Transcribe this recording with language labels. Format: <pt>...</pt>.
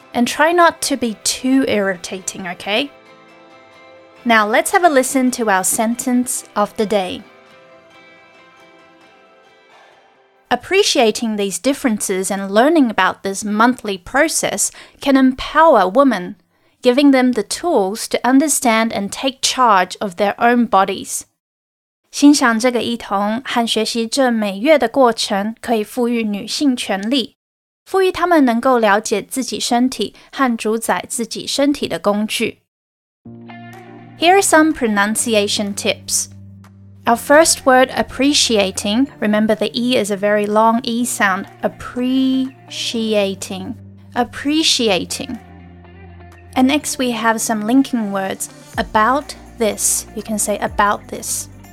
<en>And try not to be too irritating, okay? Now let's have a listen to our sentence of the day. Appreciating these differences and learning about this monthly process can empower women, giving them the tools to understand and take charge of their own bodies.</en> <zh>欣赏这个异同和学习这每月的过程可以赋予女性权利，赋予她们能够了解自己身体和主宰自己身体的工具。</zh> <en>Here are some pronunciation tips. Our first word appreciating, remember the E is a very long E sound, appreciating, appreciating. And next we have some linking words, about this, you can say about this.</en>